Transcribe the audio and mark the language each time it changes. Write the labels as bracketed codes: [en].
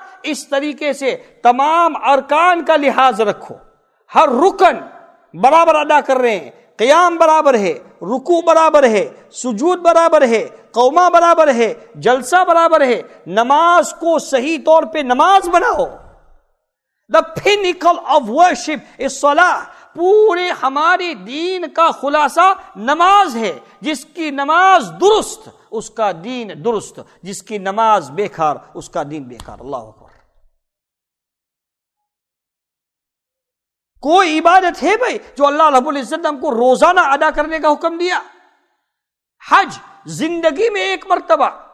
[ur] اس طریقے سے تمام ارکان کا لحاظ رکھو، ہر رکن برابر ادا کر رہے ہیں، قیام برابر ہے، رکوع برابر ہے، سجود برابر ہے، قومہ برابر ہے، جلسہ برابر ہے. نماز کو صحیح طور پہ نماز بناؤ. [en] The pinnacle of worship is salah. [ur] پورے ہمارے دین کا خلاصہ نماز ہے. جس کی نماز درست اس کا دین درست، جس کی نماز بیکار اس کا دین بیکار. اللہ اکبر. کوئی عبادت ہے بھائی جو اللہ رب العزت نے ہم کو روزانہ ادا کرنے کا حکم دیا؟ حج زندگی میں ایک مرتبہ،